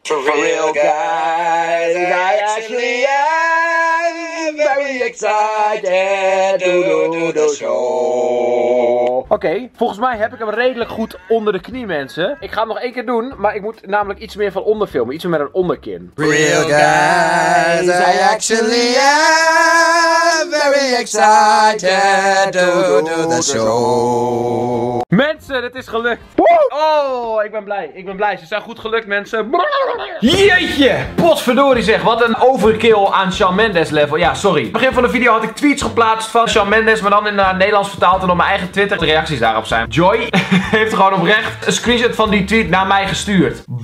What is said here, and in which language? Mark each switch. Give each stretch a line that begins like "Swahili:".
English: For real, guys, I actually am very excited to do the show.
Dutch: Oké, okay, volgens mij heb ik hem redelijk goed onder de knie, mensen. Ik ga hem nog één keer doen, maar ik moet namelijk iets meer van onder filmen. Iets meer met een onderkin.
English: For real, guys, I actually am very excited to do the show.
Dutch: Mensen, het is gelukt. Oh, ik ben blij. Ik ben blij. Ze zijn goed gelukt, mensen. Jeetje. Potverdorie zeg. Wat een overkill aan Shawn Mendes level. Ja, sorry. Begin van de video had ik tweets geplaatst van Shawn Mendes. Maar dan in het Nederlands vertaald en op mijn eigen Twitter. De reacties daarop zijn. Joy heeft gewoon oprecht een screenshot van die tweet naar mij gestuurd.